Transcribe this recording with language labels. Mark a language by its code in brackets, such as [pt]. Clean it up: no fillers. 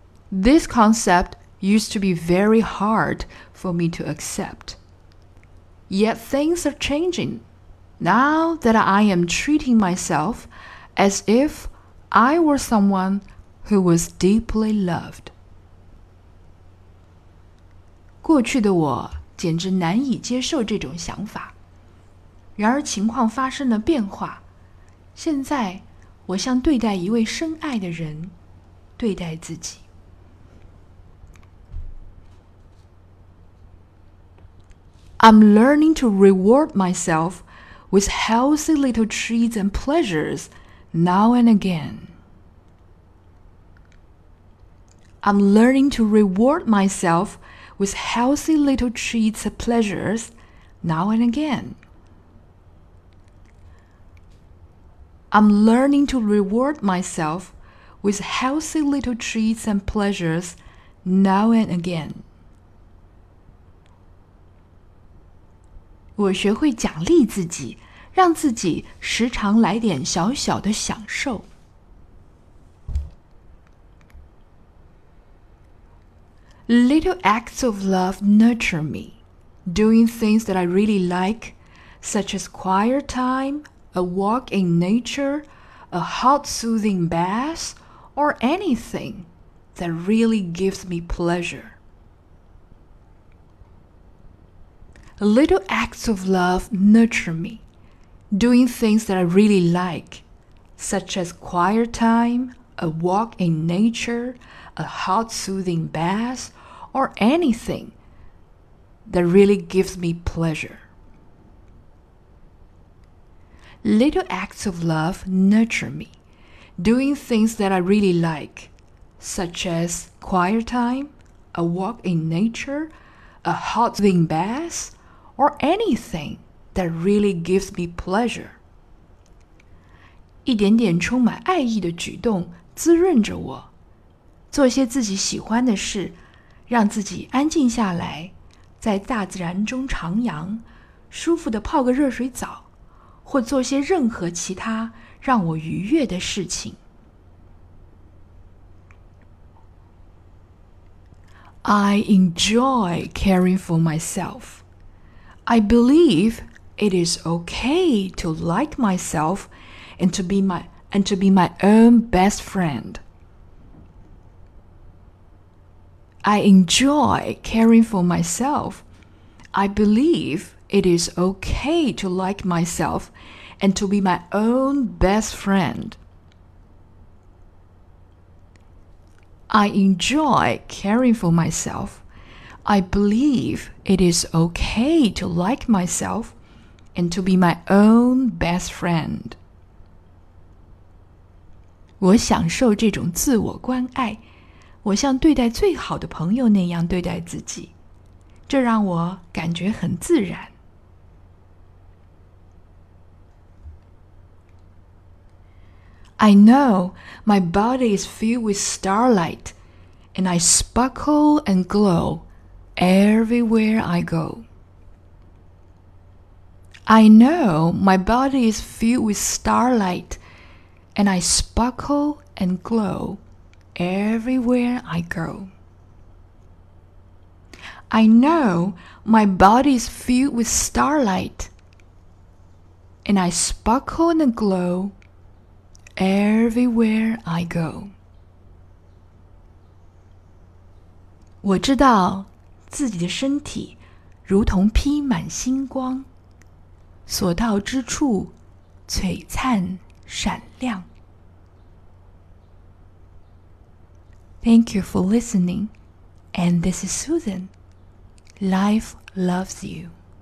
[en] This concept used to be very hard for me to accept. Yet things are changing. Now that I am treating myself as if I were someone who was deeply loved. [zh] 过去的我简直难以接受这种想法。然而情况发生了变化，现在我像对待一位深爱的人对待自己。 [en] I'm learning to reward myself with healthy little treats and pleasures now and again. I'm learning to reward myself with healthy little treats and pleasures now and again. I'm learning to reward myself with healthy little treats and pleasures now and again. [zh] 我学会奖励自己，让自己时常来点小小的享受。 [en] Little acts of love nurture me, doing things that I really like, such as quiet time, a walk in nature, a hot soothing bath, or anything that really gives me pleasure. Little acts of love nurture me, doing things that I really like, such as quiet time, a walk in nature, a hot soothing bath,or anything that really gives me pleasure. Little acts of love nurture me, doing things that I really like, such as quiet time, a walk in nature, a hot spring bath, or anything that really gives me pleasure. [zh] 一点点充满爱意的举动滋润着我，做些自己喜欢的事，让自己安静下来，在大自然中徜徉，舒服地泡个热水澡，或做些任何其他让我愉悦的事情。 [en] I enjoy caring for myself. I believe it is okay to like myself and to be my own best friend. I enjoy caring for myself. I believe it is okay to like myself and to be my own best friend. I enjoy caring for myself. I believe it is okay to like myself and to be my own best friend. [zh] 我享受这种自我关爱。我像对待最好的朋友那样对待自己，这让我感觉很自然。 [en] I know my body is filled with starlight, and I sparkle and glow everywhere I go. I know my body is filled with starlight, and I sparkle and glow. Everywhere I go. I know my body is filled with starlight, and I sparkle and glow everywhere I go. [zh] 我知道自己的身体如同披满星光，所到之处璀璨闪亮。 [en] Thank you for listening, and this is Susan. Life loves you.